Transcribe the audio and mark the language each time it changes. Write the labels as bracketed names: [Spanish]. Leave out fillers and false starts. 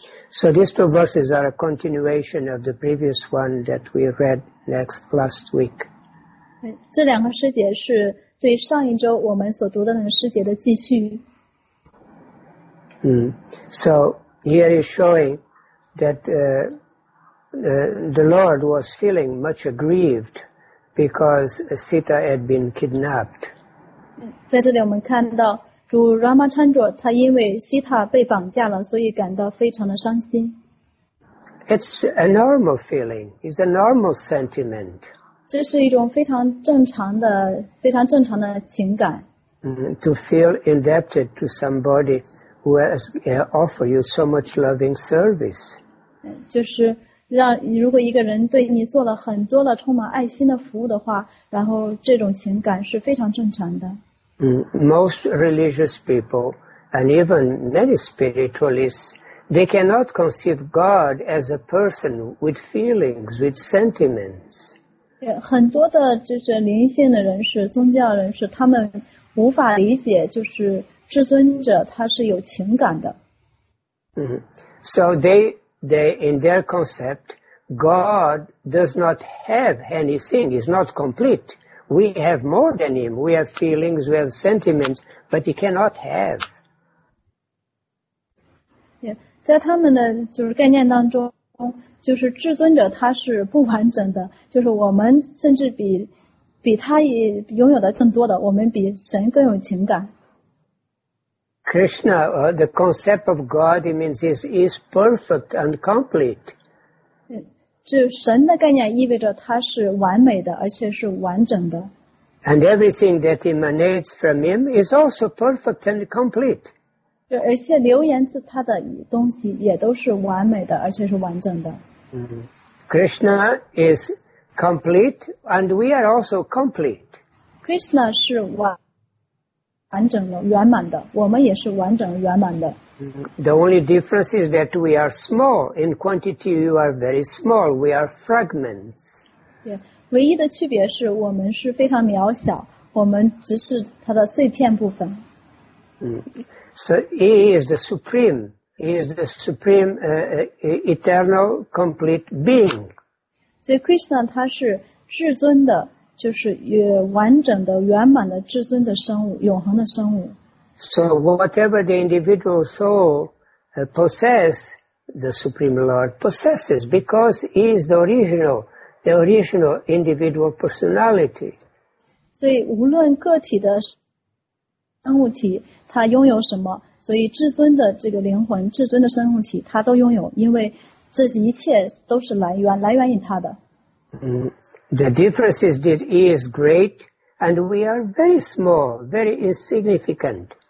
[English] So these two verses are a continuation of the previous one that we read last week. [Chinese] 这两个诗节是对上一周我们所读的那个诗节的继续。 [English] So here is showing that... the Lord was feeling much aggrieved because Sita had been kidnapped. [Chinese] 在这里我们看到主 Ramachandra 他因为 Sita 被绑架了，所以感到非常的伤心。 [English] It's a normal feeling. It's a normal sentiment. [Chinese] 这是一种非常正常的、非常正常的情感。 [English] To feel indebted to somebody who has offered you so much loving service. [Chinese] 就是让如果一个人对你做了很多的充满爱心的服务的话，然后这种情感是非常正常的。 [English] Most religious people and even many spiritualists, they cannot conceive God as a person with feelings, with sentiments. [Chinese] 很多的就是灵性的人士、宗教人士，他们无法理解就是至尊者他是有情感的。 [English] So they, in their concept, God does not have anything, he's not complete. We have more than him, we have feelings, we have sentiments, but he cannot have. [Chinese] Yeah, 在他们的就是概念当中，就是至尊者他是不完整的，就是我们甚至比他也拥有的更多的，我们比神更有情感。 [English] Krishna, the concept of God, it means is perfect and complete. [Chinese] 这神的概念意味着他是完美的，而且是完整的。 [English] And everything that emanates from him is also perfect and complete. [Chinese] 这而且流言自他的东西也都是完美的，而且是完整的。 Mm-hmm. [English] Krishna is complete, and we are also complete. [Chinese] Krishna 是完整的圆满的，我们也是完整圆满的。 [English] The only difference is that we are small in quantity. You are very small. We are fragments. [Chinese] Yeah, 唯一的区别是我们是非常渺小，我们只是它的碎片部分。 [English] So he is the supreme. He is the supreme, eternal, complete being. [Chinese] 所以 Krishna 他是至尊的。就是完整的圆满的至尊的生物，永恒的生物。 [English] So whatever the individual soul possess, the Supreme Lord possesses because he is the original individual personality. [Chinese] 所以无论个体的生物体它拥有什么，所以至尊的这个灵魂，至尊的生物体它都拥有，因为这一切都是来源于它的。 [English] The difference is that he is great and we are very small, very insignificant.